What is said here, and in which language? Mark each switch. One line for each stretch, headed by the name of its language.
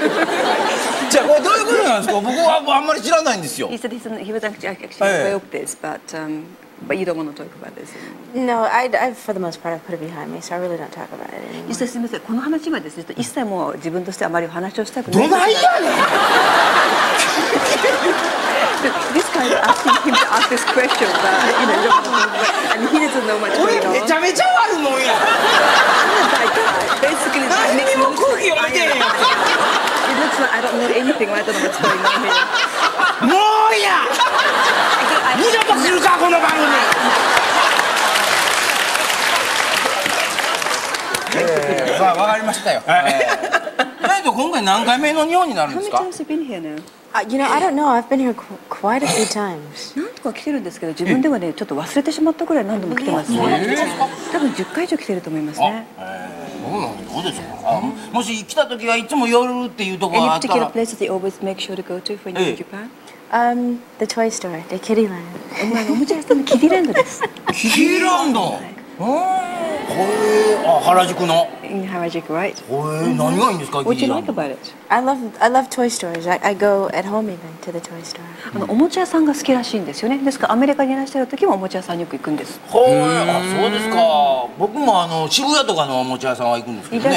Japanese: じゃあこれどういうことなんですか？僕はあんまり知らないんですよ。
English: He said he's he was actually aware of this, but。 But you don't want to talk about this anymore. No, I for the most part, I've put it behind me, so I really don't talk about it anymore.
Japanese: すみません、この話はですね、一切もう自分としてあまりお話をしたくない。どないやねん。
English: This guy is asking him to ask this question, but you know, I mean, he doesn't know much.
Japanese: 俺めちゃめちゃ悪もんや。
English: Basically,
Japanese: 何にも空気読めてんや。
English: It looks like I don't know anything. I don't know what's going on here.
Japanese: もういや。二度とするかこの番組。まあわかりましたよ。はい。今回何回目の日本になるんですか。
English: How many times have you been here now? You know, I don't know. I've been here quite a few times.
Japanese: 何とか来てるんですけど、自分ではねちょっと忘れてしまったくらい何度も来てますね。多分10回以上来てると思いますね。どうですか。もし来た時はいつも夜っていうところがあったら。
English: Any particular place that you always make sure to go to for New Japan? The toy store, the kitty land.
Japanese: おもちゃ屋さんのキティランドです。キティランド。これ、あ、原宿の。
English: In 原宿、right?
Japanese: これ、何がいいんですか、キティランド。
English: What do you like about it? I love toy stores. I go at home even to the toy store.
Japanese: おもちゃ屋さんが好きらしいんですよね。ですからアメリカにいらっしゃる時もおもちゃ屋さんによく行くんです。へえ、あ、そうですか。僕も渋谷とかのおもちゃ屋さんは行くんですけどね。